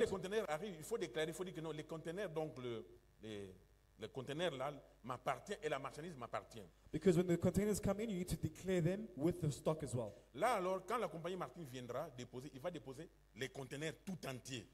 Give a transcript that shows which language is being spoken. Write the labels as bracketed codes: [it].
[fr] les conteneurs arrivent, il faut déclarer, il faut dire que non, les conteneurs, donc Le conteneur là m'appartient et la marchandise m'appartient. [en] Because when the containers come in, you need to declare them with the stock as well. [fr] Là alors, quand la compagnie Martin viendra déposer, il va déposer les conteneurs tout entier.